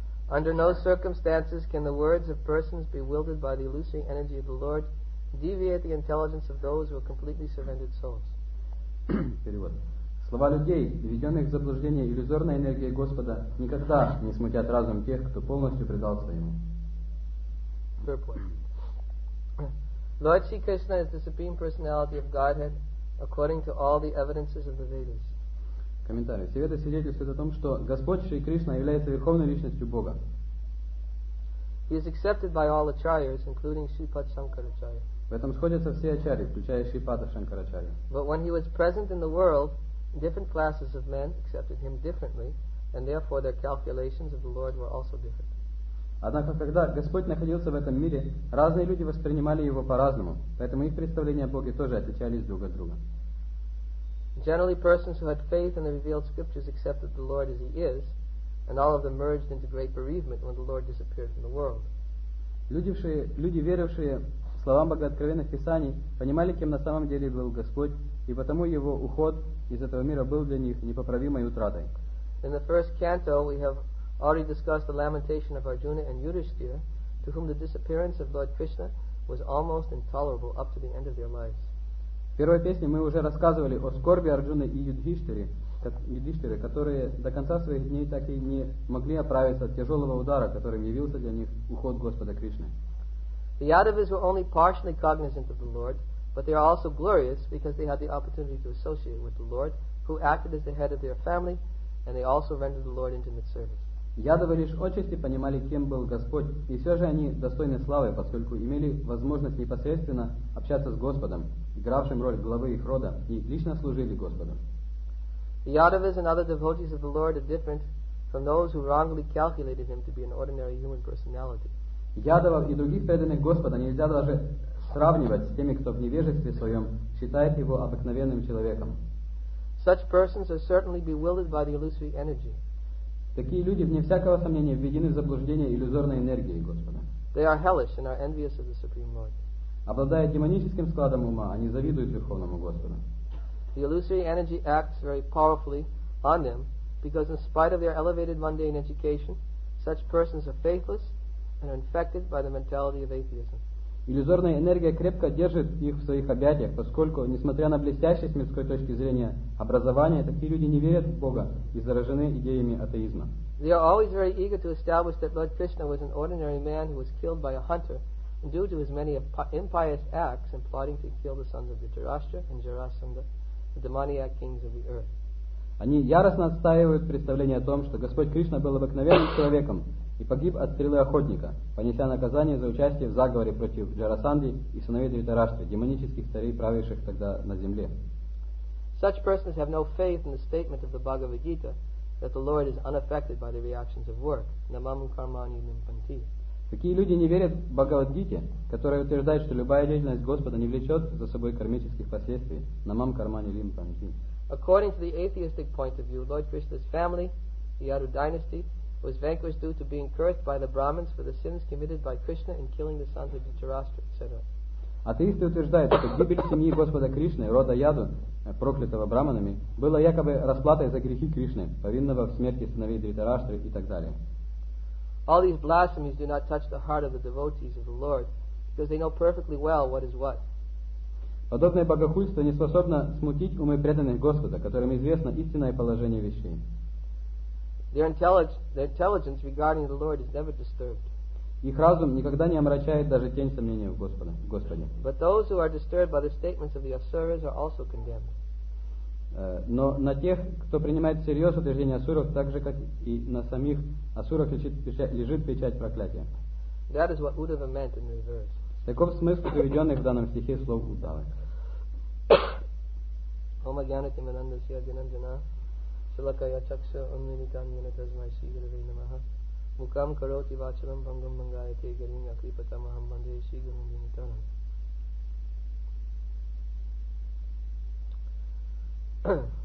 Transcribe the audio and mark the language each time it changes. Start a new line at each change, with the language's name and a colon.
English: Under no circumstances can the words of persons bewildered by the illusory energy of the Lord deviate the intelligence of those who are completely surrendered souls.
Russian: Перевод. Слова людей, введенных в заблуждение иллюзорной энергией Господа, никогда не смутят разум тех, кто полностью предался Ему.
English: Third point. Lord Sri Krishna is the Supreme Personality of Godhead according to all the evidences of the Vedas.
Russian: Комментарий. Все веды свидетельствуют о том, что Господь Шри Кришна является Верховной Личностью Бога.
English: He is accepted by all acharyas, including Shripad Shankaracharya.
Russian: В этом сходятся все ачарьи, включая Шрипада Шанкарачарья.
English: But when he was present in the world, different classes of men accepted him differently, and therefore their calculations of the Lord were also different.
Russian: Однако, когда Господь находился в этом мире, разные люди воспринимали его по-разному, поэтому их представления о Боге тоже отличались друг от друга.
English: Generally, persons who had faith in the revealed scriptures accepted the Lord as he is, and all of them merged into great bereavement when the Lord disappeared from the world.
Russian: Люди, верившие словам Богооткровенных Писаний, понимали, кем на самом деле был Господь, и потому его уход из этого мира был для них непоправимой утратой.
English: In the first canto, we have already discussed the lamentation of Arjuna and Yudhishthira, to whom the disappearance of Lord Krishna was almost intolerable up to the end of their lives.
Russian: В первой песне мы уже рассказывали о скорби Арджуны и Юдхиштхиры, которые до конца своих дней так и не могли оправиться от тяжелого удара, которым явился для них уход Господа Кришны.
English: The Yadavas were only partially cognizant of the Lord, but they are also glorious because they had the opportunity to associate with the Lord, who acted as the head of their family, and they also rendered the Lord intimate service.
Russian: Ядовы лишь отчасти понимали, кем был Господь, и все же они достойны славы, поскольку имели возможность непосредственно общаться с Господом, игравшим роль главы их рода, и лично служили Господу.
English: The Yadavas and other devotees of the Lord are different from those who wrongly calculated him to be an ordinary human personality.
Russian: Ядовов и других преданных Господа нельзя даже сравнивать с теми, кто в невежестве своем считает его обыкновенным человеком.
English: Such persons are certainly bewildered by the illusory energy.
Russian: Такие люди, вне всякого сомнения, введены в заблуждение иллюзорной энергией Господа.
English: They are hellish and are envious of the Supreme Lord.
Russian: Обладая демоническим складом ума, они завидуют Верховному Господу.
English: The illusory energy acts very powerfully on them because in spite of their elevated mundane education, such persons are faithless and are infected by the mentality of atheism.
Russian: Иллюзорная энергия крепко держит их в своих объятиях, поскольку, несмотря на блестящее с мирской точки зрения образование, такие люди не верят в Бога и заражены идеями атеизма.
English: They are always very eager to establish that Lord Krishna was an ordinary man who was killed by a hunter due to his many impious acts in plotting to kill the sons of Dhritarashtra and Jarasandha, the demoniac kings of the earth.
Russian: Они яростно отстаивают представление о том, что Господь Кришна был обыкновенным человеком, и погиб от стрелы охотника, понеся наказание за участие в заговоре против Джарасанды и сыновей Дхритарашты, демонических царей, правивших тогда на земле.
English: Such persons have no faith in the statement of the Bhagavad Gita that the Lord is unaffected by the reactions of work.
Sanskrit: Namam karmani nimpanti.
Russian: Такие люди не верят в Бхагавад-гите, которая утверждает, что любая деятельность Господа не влечет за собой кармических последствий.
Sanskrit: Намам кармани лимпанти.
English: According to the atheistic point of view, Lord Krishna's family, the Yadu dynasty, was vanquished due to being cursed by the Brahmins for the sins committed by Krishna in killing the sons of Dhritarashtra, etc.
Russian: Атеисты утверждают, что гибель семьи Господа Кришны, рода Яду, проклятого Брахманами, была якобы расплатой за грехи Кришны, повинного в смерти сыновей Дхритараштры и так далее.
English: All these blasphemies do not touch the heart of the devotees of the Lord, because they know perfectly well what is what.
Russian: Подобное богохульство не способно смутить умы преданных Господа, которым известно истинное положение вещей.
English: Their intelligence regarding the Lord is never disturbed.
Russian: Их разум никогда не омрачает даже тень сомнения в Господе.
English: But those who are disturbed by the statements of the asuras are also condemned.
Russian: Но на тех, кто принимает всерьез утверждение асуров, так же, как и на самих асурах, лежит печать проклятия.
English: That is what Uddhava meant in reverse.
Russian: Таков смысл приведенных в данном стихе слов Удавы.
Sanskrit: Ома гьянати мананда сия динанджана шалакая чакша уннинитан яна тазмай си гиравей намаха мукам кароти вачалам бангам бангая те гарин акрипата махам банде си гиравей.